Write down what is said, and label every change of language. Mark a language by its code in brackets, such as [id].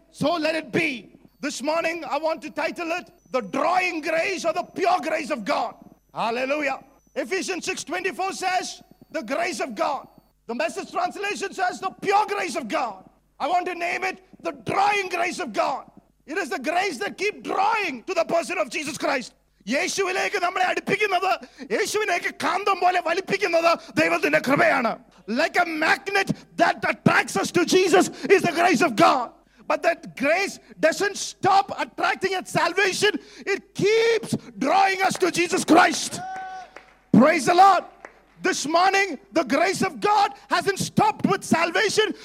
[en] So let it be. This morning, I want to title it, the drawing grace or the pure grace of God. Hallelujah. Ephesians 6:24 says, the grace of God. The Message translation says, the pure grace of God. I want to name it, the drawing grace of God. It is the grace that keeps drawing to the person of Jesus Christ. [ml] യേശുവിലേക്ക് നമ്മളെ അടുപ്പിക്കുന്നത് യേശുവിനേക്ക് കാന്തം പോലെ വലിപ്പിക്കുന്നത് ദൈവത്തിന്റെ കൃപയാണ്. [en] Like a magnet that attracts us to Jesus is the grace of God. But that grace doesn't stop attracting at salvation. It keeps drawing us to Jesus Christ. Praise the Lord. This morning, the grace of God hasn't stopped with salvation.